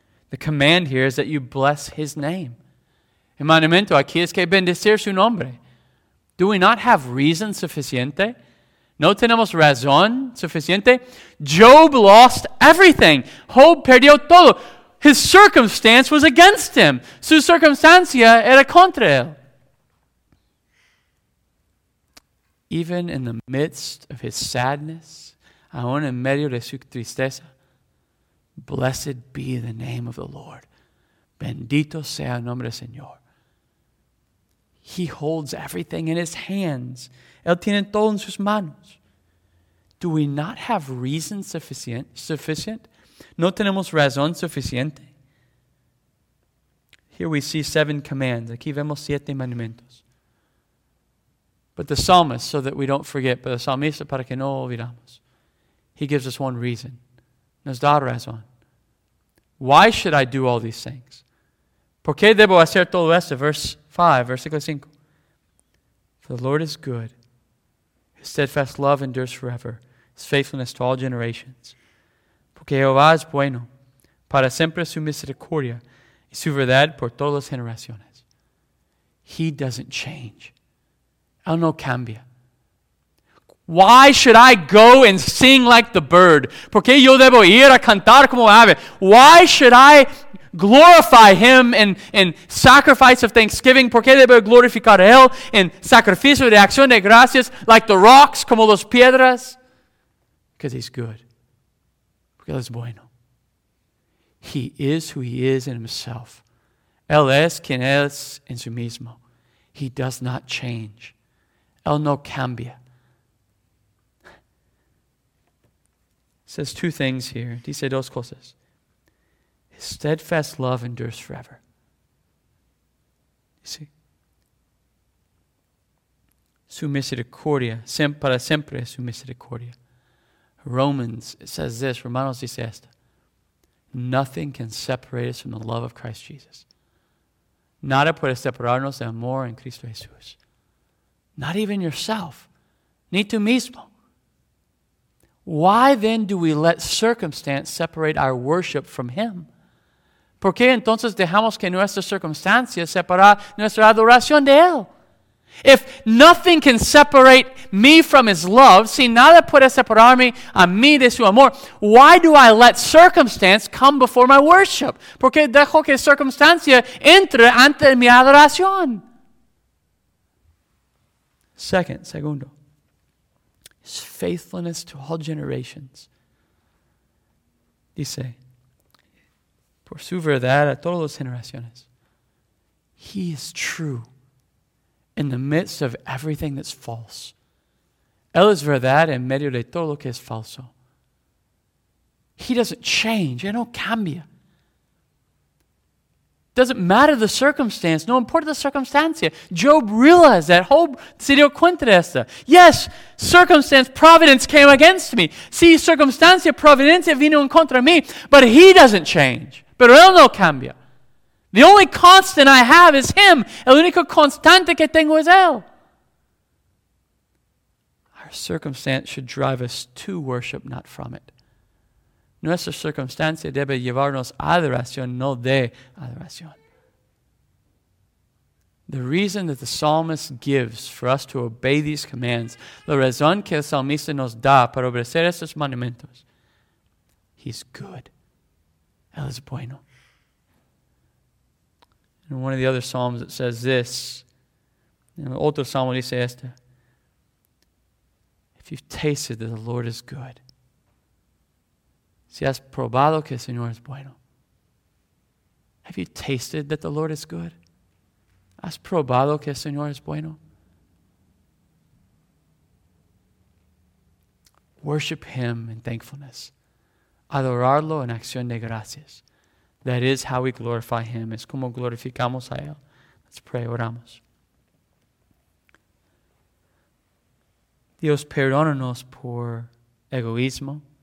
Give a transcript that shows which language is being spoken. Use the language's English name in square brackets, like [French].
[English] The command here is that you bless his name. [Spanish] El mandamiento aquí es que bendecir su nombre. [English] Do we not have reason [Spanish] suficiente? No tenemos razón suficiente? [English] Job lost everything. [Spanish] Job perdió todo. [English] His circumstance was against him. [Spanish] Su circunstancia era contra él. [English] Even in the midst of his sadness, [Spanish] aun en medio de su tristeza, [English] blessed be the name of the Lord. [Spanish] Bendito sea el nombre del Señor. [English] He holds everything in his hands. [Spanish] Él tiene todo en sus manos. [English] Do we not have reason sufficient? [Spanish] No tenemos razón suficiente. [English] Here we see seven commands. [Spanish] Aquí vemos siete mandamientos. [English] But the psalmist, so that we don't forget, but the psalmista, [Spanish] para que no olvidamos, [English] he gives us one reason. [Spanish] Nos da razón. [English] Why should I do all these things? [Spanish] ¿Por qué debo hacer todo esto? [English] Versículo 5. For the Lord is good. His steadfast love endures forever. His faithfulness to all generations. [Spanish] Porque Jehová es bueno. Para siempre su misericordia. Y su verdad por todas las generaciones. [English] He doesn't change. [Spanish] Él no cambia. [English] Why should I go and sing like the bird? [Spanish] Porque yo debo ir a cantar como ave. [English] Why should I glorify him in sacrifice of thanksgiving? [Spanish] ¿Por qué debo glorificar a él en sacrificio de acción de gracias [English] like the rocks, [Spanish] como las piedras? [English] Because he's good. [Spanish] Porque él es bueno. [English] He is who he is in himself. [Spanish] Él es quien es en su mismo. [English] He does not change. [Spanish] Él no cambia. [English] says two things here. [Spanish] Dice dos cosas. [English] His steadfast love endures forever. You see? [Spanish] Su misericordia, para siempre su misericordia. [English] Romans, it says this, [Spanish] Romanos dice esto. [English] Nothing can separate us from the love of Christ Jesus. [Spanish] Nada puede separarnos de amor en Cristo Jesús. [English] Not even yourself. [Spanish] Ni tú mismo. [English] Why then do we let circumstance separate our worship from Him? [Spanish] ¿Por qué entonces dejamos que nuestra circunstancia separa nuestra adoración de Él? [English] If nothing can separate me from His love, [Spanish] si nada puede separarme a mí de su amor, [English] why do I let circumstance come before my worship? [Spanish] ¿Por qué dejo que circunstancia entre ante mi adoración? [English] Segundo, His faithfulness to all generations. [Spanish] Dice, por su verdad a todas las generaciones. [English] He is true in the midst of everything that's false. [Spanish] Él es verdad en medio de todo lo que es falso. [English] He doesn't change. [Spanish] Él no cambia. [English] Doesn't matter the circumstance. [Spanish] No importa la circunstancia. [English] Job realized that. [Spanish] Job se dio cuenta de esto. [English] Yes, circumstance, providence came against me. [Spanish] Sí, circunstancia, providencia vino en contra mí. [English] But He doesn't change. [Spanish] Pero Él no cambia. [English] The only constant I have is Him. [Spanish] El único constante que tengo es Él. [English] Our circumstance should drive us to worship, not from it. [Spanish] Nuestra circunstancia debe llevarnos a adoración, no de adoración. [English] The reason that the psalmist gives for us to obey these commands, [Spanish] la razón que el salmista nos da para obedecer estos mandamientos, [English] He's good. [Spanish] Él es bueno. [English] In one of the other psalms, it says this. In [Spanish] otro salmo dice esto. [English] If you've tasted that the Lord is good, [Spanish] si has probado que el Señor es bueno. [English] Have you tasted that the Lord is good? [Spanish] Has probado que el Señor es bueno? [English] Worship Him in thankfulness. [Spanish] Adorarlo en acción de gracias. [English] That is how we glorify Him. [Spanish] Es como glorificamos a Él. [English] Let's pray, [Spanish] oramos. Dios, perdónanos por egoísmo.